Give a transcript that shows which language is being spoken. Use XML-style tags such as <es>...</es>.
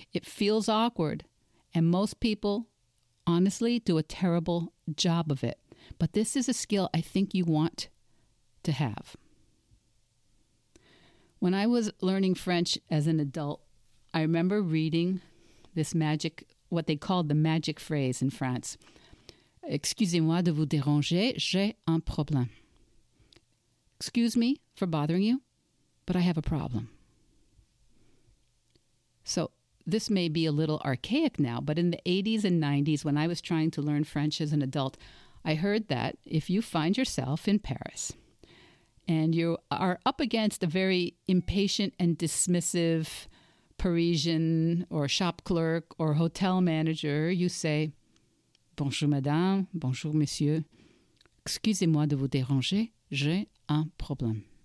<en>It feels awkward, and most people, honestly, do a terrible job of it. But this is a skill I think you want to have. When I was learning French as an adult, I remember reading this magic, what they called the magic phrase in France.</en> <fr>Excusez-moi de vous déranger, j'ai un problème.</fr> <en>Excuse me for bothering you, but I have a problem. So this may be a little archaic now, but in the 80s and 90s, when I was trying to learn French as an adult, I heard that if you find yourself in Paris and you are up against a very impatient and dismissive Parisian or shop clerk or hotel manager, you say,</en> <fr>bonjour madame, bonjour monsieur, excusez-moi de vous déranger, j'ai un problème.</fr>